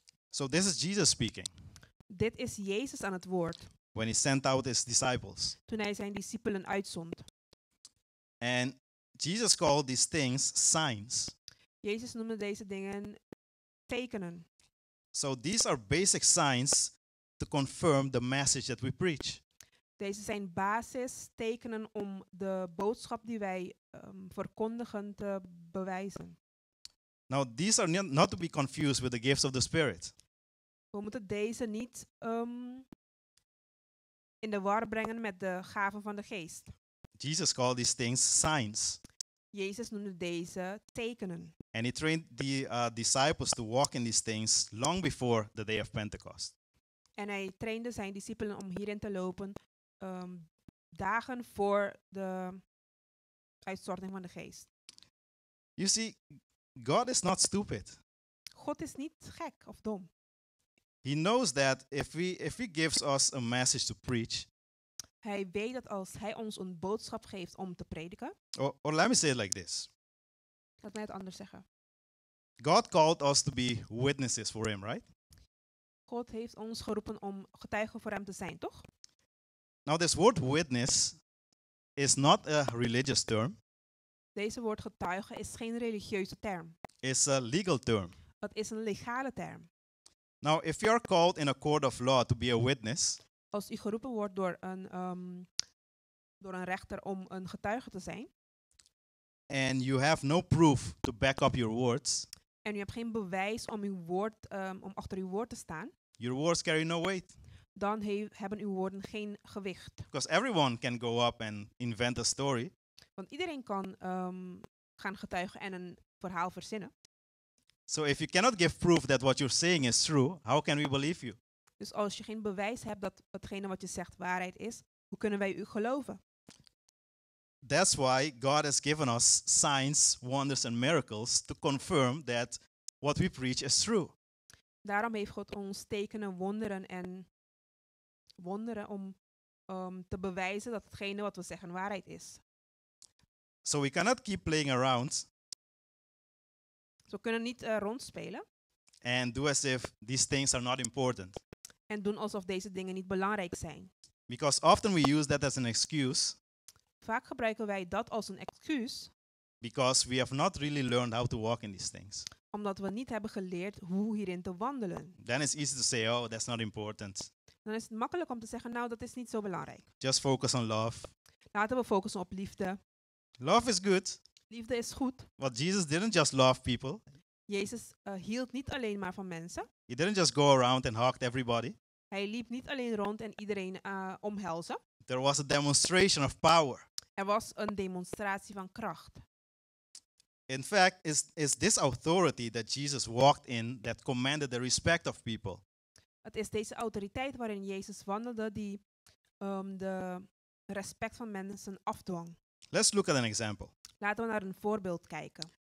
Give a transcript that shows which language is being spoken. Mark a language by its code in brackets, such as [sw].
[en] So this is Jesus speaking. [nl] Dit is Jezus aan het woord. [en] When he sent out his disciples. [nl] Toen hij zijn discipelen uitzond. [en] And Jesus called these things signs. [nl] Jezus noemde deze dingen tekenen. [en] So these are basic signs to confirm the message that we preach. [nl] Deze zijn basis tekenen om de boodschap die wij verkondigen te bewijzen. [en] Now these are not to be confused with the gifts of the Spirit. [nl] We moeten deze niet in de war brengen met de gaven van de geest. [en] Jesus called these things signs. [nl] Jezus noemde deze tekenen. [en] And he trained the disciples to walk in these things long before the day of Pentecost. [nl] En hij trainde zijn discipelen om hierin te lopen dagen voor de uitstorting van de geest. [en] You see, God is not stupid. [nl] God is niet gek of dom. [en] He knows that if he gives us a message to preach. [nl] Hij weet dat als hij ons een boodschap geeft om te prediken. [en] Or let me say it like this. [nl] Laat mij het anders zeggen. [en] God called us to be witnesses for him, right? [nl] God heeft ons geroepen om getuigen voor hem te zijn, toch? [en] Now this word witness is not a religious term. [nl] Deze woord getuige is geen religieuze term. [en] It's a legal term. [nl] Het is een legale term. [en] Now if you are called in a court of law to be a witness. [nl] Als u geroepen wordt door een rechter om een getuige te zijn. [en] And you have no proof to back up your words. [nl] En u hebt geen bewijs om uw woord om achter uw woord te staan. [en] Your words carry no weight. [nl] Dan hebben uw woorden geen gewicht. [en] Because everyone can go up and invent a story. [nl] Want iedereen kan gaan getuigen en een verhaal verzinnen. [en] So if you cannot give proof that what you're saying is true, how can we believe you? [nl] Dus als je geen bewijs hebt dat hetgene wat je zegt waarheid is, hoe kunnen wij u geloven? [en] That's why God has given us signs, wonders and miracles to confirm that what we preach is true. [nl] Daarom heeft God ons tekenen, wonderen en wonderen om te bewijzen dat hetgene wat we zeggen waarheid is. [en] So we cannot keep playing around. [nl] We kunnen niet rondspelen. [en] And do as if these things are not important. [nl] En doen alsof deze dingen niet belangrijk zijn. [en] Because often we use that as an excuse. [nl] Vaak gebruiken wij dat als een excuus. [en] Because we have not really learned how to walk in these things. [nl] Omdat we niet hebben geleerd hoe hierin te wandelen. [en] Then it's easy to say, oh, that's not important. [nl] Dan is het makkelijk om te zeggen, nou, dat is niet zo belangrijk. [en] Just focus on love. [nl] Laten we focussen op liefde. [en] Love is good. [nl] Liefde is goed. [en] But Jesus didn't just love people. [nl] Jezus hield niet alleen maar van mensen. [en] He didn't just go around and hugged everybody. [nl] Hij liep niet alleen rond en iedereen omhelzen. [en] There was a demonstration of power. [nl] Er was een demonstratie van kracht. [en] In fact, is this authority that Jesus walked in that commanded the respect of people. [nl] Het is deze autoriteit waarin Jezus wandelde die de respect van mensen afdwong. [en] Let's look at an example. [nl] Laten we naar een voorbeeld kijken.